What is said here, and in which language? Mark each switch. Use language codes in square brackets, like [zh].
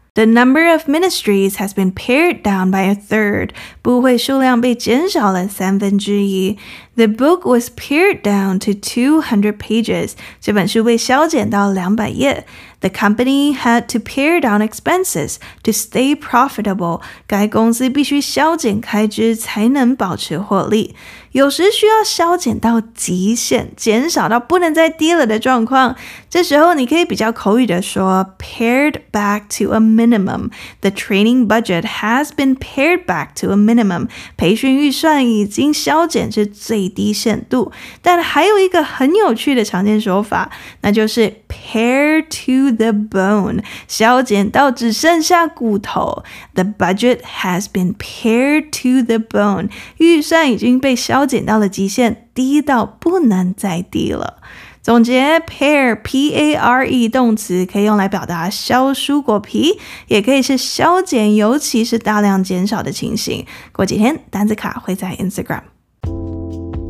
[en] The number of ministries has been pared down by a third. [zh] 部会数量被减少了三分之一。 [en] The book was pared down to 200 pages. [zh] 这本书被削减到两百页。 [en] The company had to pare down expenses to stay profitable. [zh] 该公司必须削减开支才能保持获利。有时需要削减到极限，减少到不能再低了的状况。这时候你可以比较口语的说 [en] pared back to a minimum. The training budget has been pared back to a minimum. [zh] 培训预算已经削减至最低限度。但还有一个很有趣的常见说法，那就是 [en] pare to the bone. [zh] 削减到只剩下骨头。 [en] The budget has been pared to the bone. [zh] 预算已经被削减到了极限，低到不能再低了。总结 pare, P-A-R-E 动词可以用来表达削蔬果皮，也可以是削减，尤其是大量减少的情形。过几天单字卡会在 Instagram。